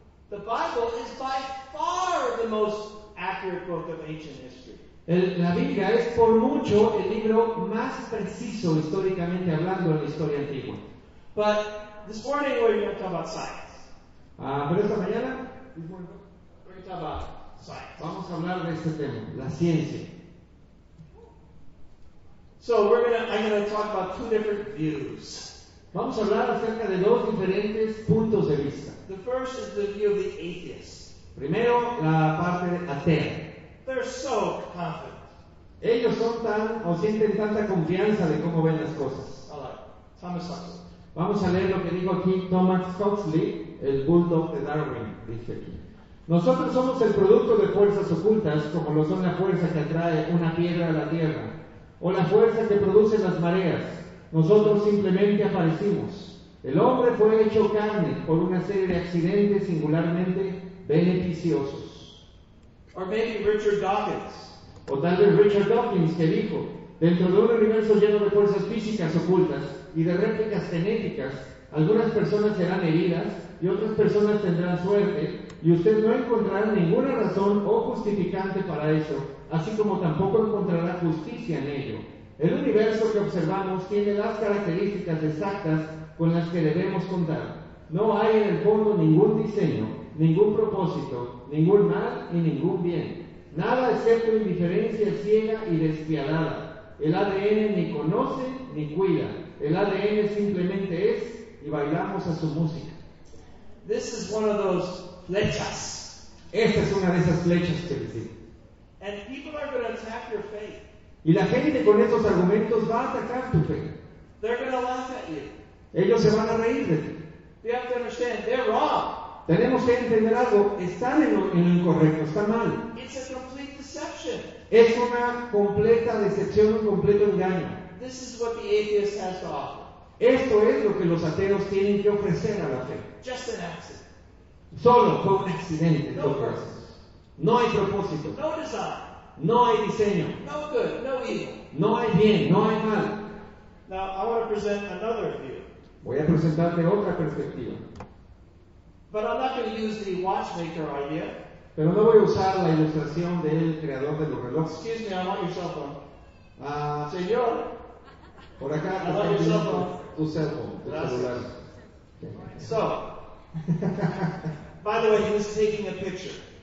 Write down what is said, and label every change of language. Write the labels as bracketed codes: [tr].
[en] The Bible is by far the most accurate book of ancient history. [es] La Biblia es por mucho el libro más preciso históricamente hablando en la historia antigua. [en] But this morning we're going to talk about science. [es] Pero esta mañana [en] we're going to talk about science. [es] Vamos a hablar de este tema, la ciencia. [en] So I'm going to talk about two different views. [es] Vamos a hablar acerca de dos diferentes puntos de vista. [en] The first is the view of the atheist. [es] Primero, la parte atea. [en] They're so confident. [es] Ellos son tan, o sienten tanta confianza de cómo ven las cosas. [en] All right. Thomas Huxley. [es] Vamos a leer lo que dijo aquí Thomas Huxley, el bulldog de Darwin, dice aquí. Nosotros somos el producto de fuerzas ocultas, como lo son la fuerza que atrae una piedra a la tierra, o la fuerza que produce las mareas. Nosotros simplemente aparecimos. El hombre fue hecho carne por una serie de accidentes singularmente beneficiosos. [en] Or maybe Richard Dawkins. [es] O tal vez Richard Dawkins, que dijo, dentro de un universo lleno de fuerzas físicas ocultas y de réplicas genéticas, algunas personas serán heridas y otras personas tendrán suerte, y usted no encontrará ninguna razón o justificante para eso, así como tampoco encontrará justicia en ello. El universo que observamos tiene las características exactas con las que debemos contar. No hay en el fondo ningún diseño, ningún propósito, ningún mal y ningún bien. Nada excepto indiferencia ciega y despiadada. El ADN ni conoce ni cuida. El ADN simplemente es y bailamos a su música. [en] This is one of those flechas. [es] Esta es una de esas flechas que les digo. [en] And people are going to attack your faith. [es] Y la gente con estos argumentos va a atacar tu fe. [en] They're going to laugh at you. [es] Ellos se van a reír de ti. [en] You have to understand, they're wrong. [es] Tenemos que entender algo. Están en lo incorrecto. Está mal. [en] It's a complete deception. [es] Es una completa decepción, un completo engaño. [en] This is what the atheist has to offer. [es] Esto es lo que los ateos tienen que ofrecer a la fe. [en] Just an accident. [es] Solo fue un accidente. [en] No purpose. [es] No hay propósito. [en] No design. [es] No hay diseño. [en] No good, no evil. [es] No hay bien, no hay mal. [en] Now I want to present another view. [es] Voy a presentarte otra perspectiva. [en] But I'm not going to use the watchmaker idea. [es] Pero no voy a usar la ilustración del creador de los relojes. [en] Excuse me, I want your cell phone. [es] Señor. Por acá. [en] I want your cell phone. [es] Tu cell phone, tu Gracias. Celular. Okay. [en] So. By the way, he was taking a picture.